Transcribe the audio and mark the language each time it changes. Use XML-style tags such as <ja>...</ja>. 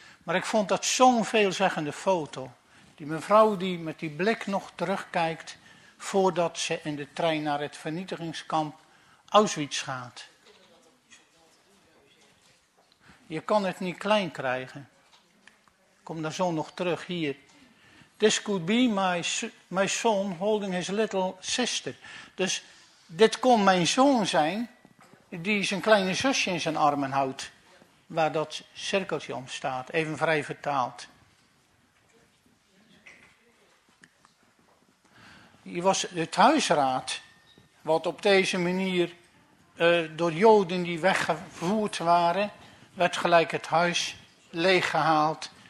<nl>Maar ik vond dat zo'n veelzeggende foto. Die mevrouw die met die blik nog terugkijkt voordat ze in de trein naar het vernietigingskamp Auschwitz gaat. Je kan het niet klein krijgen. Ik kom daar zo nog terug hier.</nl> <en>This could be my son holding his little sister.</en> <nl>Dus dit kon mijn zoon zijn die zijn kleine zusje in zijn armen houdt. Waar dat cirkeltje om staat, even vrij vertaald. Hier was het huisraad, wat op deze manier door Joden die weggevoerd waren, werd gelijk het huis leeggehaald.</nl>